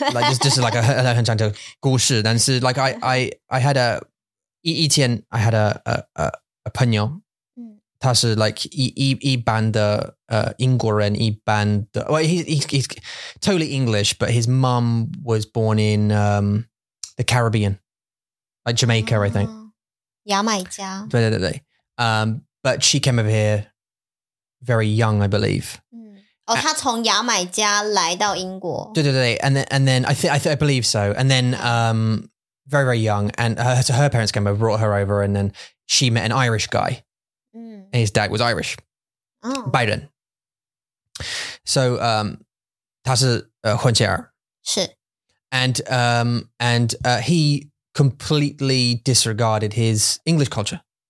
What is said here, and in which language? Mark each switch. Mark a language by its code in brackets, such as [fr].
[en] Like just like a [zh] 很长的故事, [en] and so like I had a [zh] 以前, [en] I had a [zh] 朋友, 他是 [en] like [zh] 一般的 英国人, [en] 一般的, well he's totally English, but his mum was born in the Caribbean, like Jamaica, I think. [zh] 牙买加. 对对对, [en] but she came over here very young, I believe. [zh] Oh, 她从牙买加来到英国. 对对对, [en] and then I believe so. And then very, very young. And her parents came over, brought her over, and then she met an Irish guy. And his dad was Irish. [zh] Oh. Biden. So 她是混血儿. [en] And he completely disregarded his English culture.